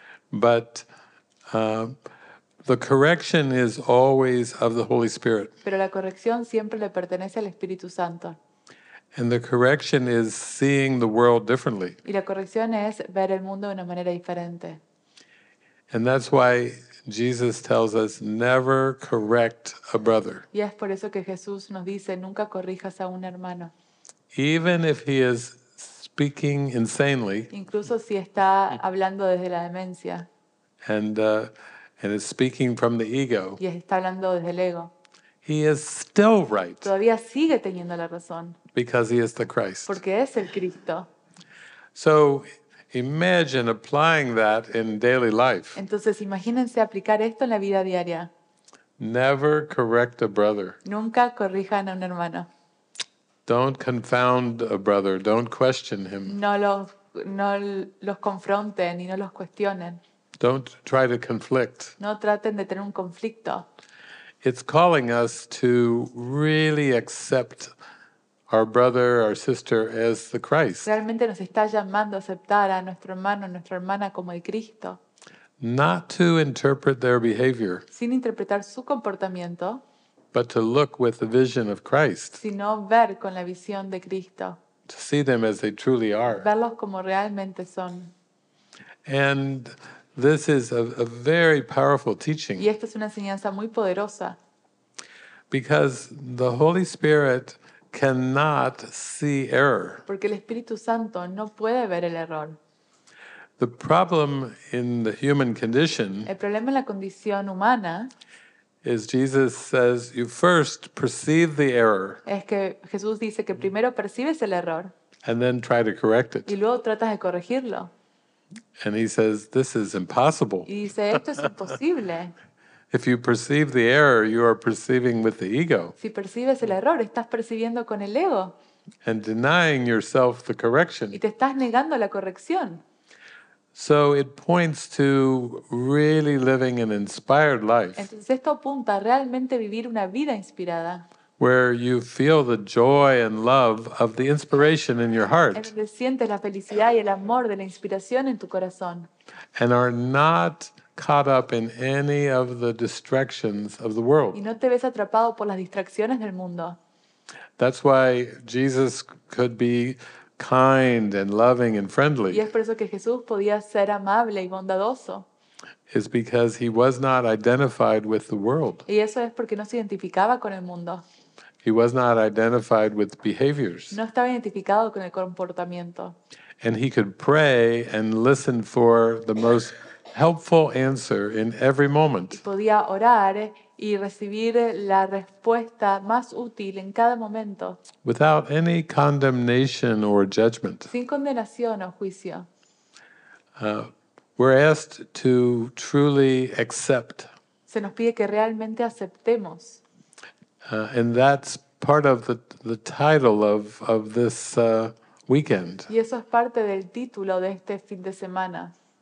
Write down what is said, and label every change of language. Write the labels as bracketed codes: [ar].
[en] But the correction is always of the Holy Spirit. [es] Pero la corrección siempre le pertenece al Espíritu Santo. [en] And the correction is seeing the world differently. [es] Y la corrección es ver el mundo de una manera diferente. [en] And that's why Jesus tells us never correct a brother. [es] Y es por eso que Jesús nos dice nunca corrijas a un hermano. [en] Even if he is speaking insanely. [es] Incluso si está hablando desde la demencia. [en] And is speaking from the ego. [es] Y está hablando desde el ego. [en] He is still right. [es] Todavía sigue teniendo la razón. [en] Because he is the Christ. [es] Porque es el Cristo. [en] So imagine applying that in daily life. [es] Entonces imagínense aplicar esto en la vida diaria. [en] Never correct a brother. [es] Nunca corrijan a un hermano. [en] Don't confound a brother. Don't question him. [es] No los confronten y no los cuestionen. [en] Don't try to conflict. [es] No traten de tener un conflicto. [en] It's calling us to really accept our brother, our sister as the Christ. [es] Realmente nos está llamando a aceptar a nuestro hermano, nuestra hermana como el Cristo. [en] Not to interpret their behavior. [es] Sin interpretar su comportamiento. [en] But to look with the vision of Christ. [es] Sino ver con la visión de Cristo. [en] To see them as they truly are. [es] Verlos como realmente son. [en] And This is a very powerful teaching. [es] Y esta es una enseñanza muy poderosa. [en] Because the Holy Spirit cannot see error. [es] Porque el Espíritu Santo no puede ver el error. [en] The problem in the human condition, [es] el problema en la condición humana, [en] is Jesus says you first perceive the error. [es] Es que Jesús dice que primero percibes el error. [en] And then try to correct it. [es] Y luego tratas de corregirlo. [en] And he says this is impossible. [es] Y dice esto es imposible. [en] If you perceive the error, you are perceiving with the ego. [es] Si percibes el error, estás percibiendo con el ego. [en] And denying yourself the correction. [es] Y te estás negando la corrección. [en] So it points to really living an inspired life. [es] Entonces esto apunta a realmente vivir una vida inspirada. [en] Where you feel the joy and love of the inspiration in your heart. [es] En donde sientes la felicidad y el amor de la inspiración en tu corazón. [en] And are not caught up in any of the distractions of the world. [es] Y no te ves atrapado por las distracciones del mundo. [en] That's why Jesus could be kind and loving and friendly. [es] Y es por eso que Jesús podía ser amable y bondadoso. [en] Is because he was not identified with the world. [es] Y eso es porque no se identificaba con el mundo. [en] He was not identified with behaviors. [es] No estaba identificado con el comportamiento. [en] And he could pray and listen for the most helpful answer in every moment. [es] Y podía orar y recibir la respuesta más útil en cada momento. [en] Without any condemnation or judgment. [es] Sin condenación o juicio. [en] We're asked to truly accept. [es] Se nos pide que realmente aceptemos. [en] And that's part of the title of this weekend. [es] Y eso es parte del título de este fin de semana.